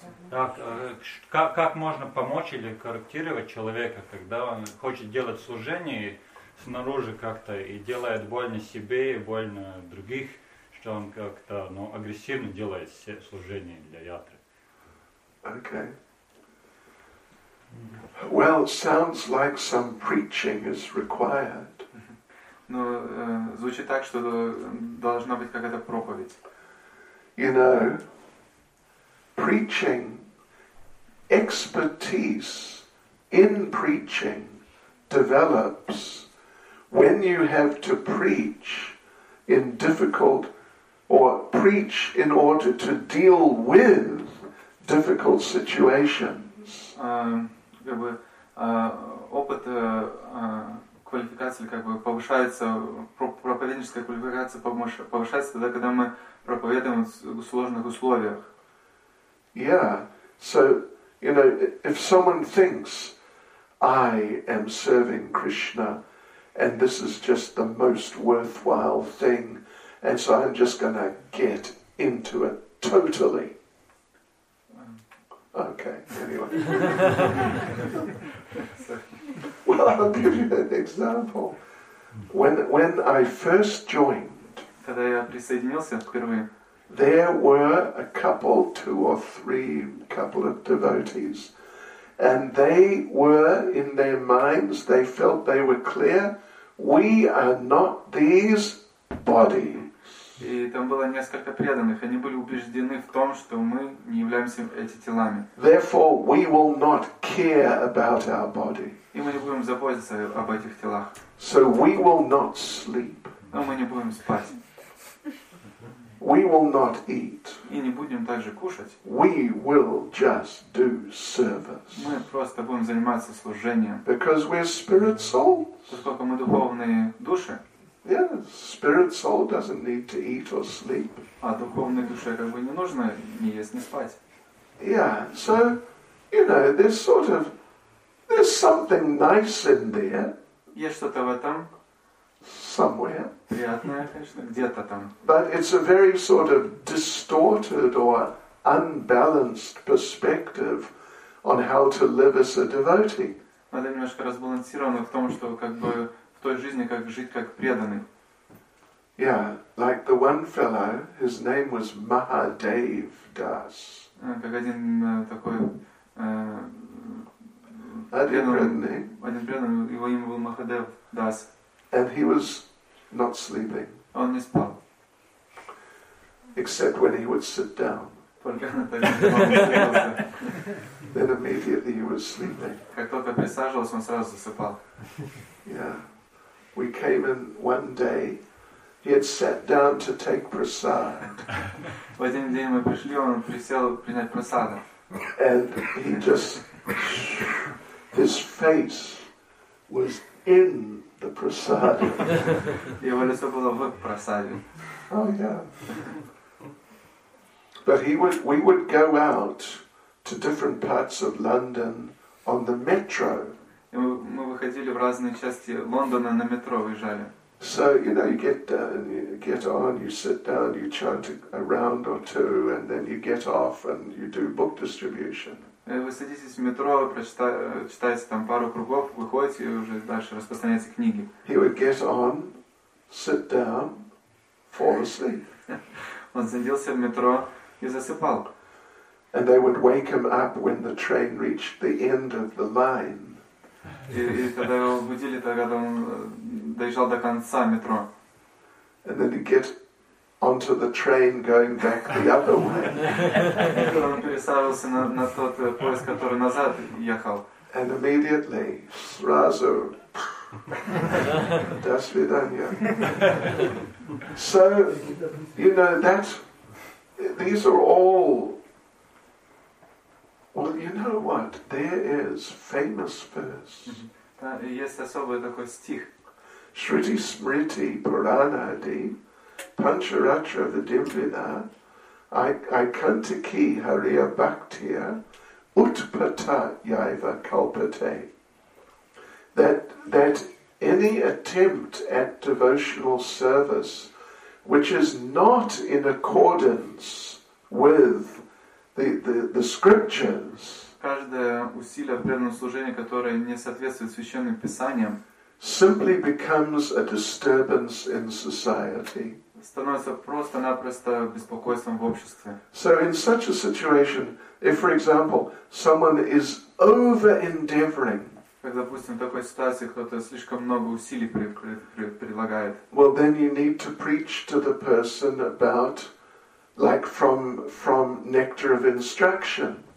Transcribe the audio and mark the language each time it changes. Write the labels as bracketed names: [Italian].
[Russian] Так, как можно помочь или корректировать человека, когда он хочет делать служение снаружи как-то и делает больно себе и больно других, что он как-то, ну, агрессивно делает служение для ятры? [English] Okay. Well, it sounds like some preaching is required. [Russian] Ну, звучит так, что должна быть какая-то проповедь. [English] You know, preaching, expertise in preaching develops when you have to preach in difficult, or preach in order to deal with difficult situations. [Russian] Как бы опыт квалификации как бы повышается, проповедническая квалификация повышается тогда, когда мы проповедуем в сложных условиях. [English] Yeah, so, you know, if someone thinks, I am serving Krishna, and this is just the most worthwhile thing, and so I'm just going to get into it totally. Okay, anyway. Well, I'll give you an example. When I first joined, there were a couple, two or three couple of devotees, and they were in their minds, they felt they were clear, we are not these bodies. [Russian] И там было несколько преданных, они были убеждены в том, что мы не являемся эти телами. [English] Therefore, we will not care about our body. [Russian] И мы не будем заботиться об этих телах. [English] So we will not sleep. [Russian] Но мы не будем спать. [English] We will not eat. [Russian] И не будем также кушать. [English] We will just do service. [Russian] Мы просто будем заниматься служением. [English] Because we are spirit souls. [Russian] Поскольку мы духовные души. [English] Yes, spirit soul doesn't need to eat or sleep. [Russian] А духовной душе как бы не нужно ни есть, ни спать. [English] Yeah, so, you know, there's something nice in there. [Russian] Есть что-то в этом. [English] Somewhere. [Russian] Приятное, конечно, где-то там. [English] But it's a very sort of distorted or unbalanced perspective on how to live as a devotee. [Russian] Надо немножко разбалансировано в том, что как бы в той жизни как жить как преданный. [English] Yeah, like the one fellow, his name was Mahadev Das. [Russian] Как один такой преданный. Один преданный, его имя был Mahadev Das. [English] And he was not sleeping. [Russian] Он не спал. [English] Except when he would sit down. [Russian] Только на тарелке. [English] Then immediately he was sleeping. [Russian] Как только присаживался, он сразу засыпал. [English] Yeah. We came in one day. He had sat down to take prasad. [Russian] В один день мы пришли, он присел принять прасада. [English] And he just... His face was in... The prasad. [Russian] Его лицо было в прасаде. [English] Oh yeah. But we would go out to different parts of London on the metro. [Russian] Мы выходили в разные части Лондона на метро выезжали. [English] So you know you get down, you get on, you sit down, you chant a round or two, and then you get off and you do book distribution. [Russian] Вы садитесь в метро, читаете там пару кругов, выходите и уже дальше распространяете книги. [English] He would get on, sit down, fall asleep. [Russian] Он садился в метро и засыпал. [English] And they would wake him up when the train reached the end of the line. [Russian] И когда его будили, тогда он доезжал до конца метро. [English] And then he'd get onto the train going back the other way. And immediately, [Russian] сразу, до свидания. [English] So, you know, that, these are all, well, you know what, there is famous verse. [Russian] Есть особый такой стих. [Sanskrit] Shruti Smriti Puranadi Pancharatra Vidimvina Aikantiki Hariya Bhaktiya Utpata Yaiva Kalpate. [English] That any attempt at devotional service which is not in accordance with the scriptures, [Russian] каждое усилие в преданном служении, которое не соответствует священным писаниям, [English] simply becomes a disturbance in society. [Russian] Становится просто-напросто беспокойством в обществе. [English] So in such a situation, if, for example, someone is over-endeavoring, [Russian] как, допустим, в такой ситуации кто-то слишком много усилий прилагает, [English] well, then you need to preach to the person about, like, from Nectar of Instruction.